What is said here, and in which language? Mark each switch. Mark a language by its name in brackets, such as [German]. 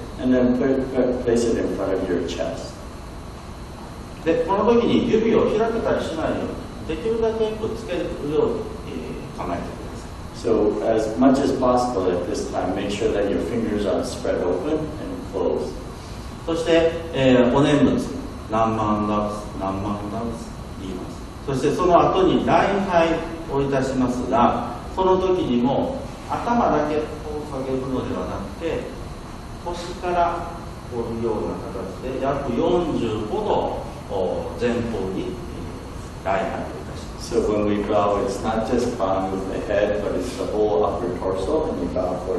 [English] And then place it in front of your chest. So as much as possible at this time, make sure that your fingers are spread open and closed. [Japanese] そしてお念仏、南無阿弥陀仏、南無阿弥陀仏言います。そしてその後に礼拝をいたしますが、その時にも頭だけを下げるのではなくて、 [English] So when we bow, it's not just bowing with the head, but it's the whole upper torso, and you bow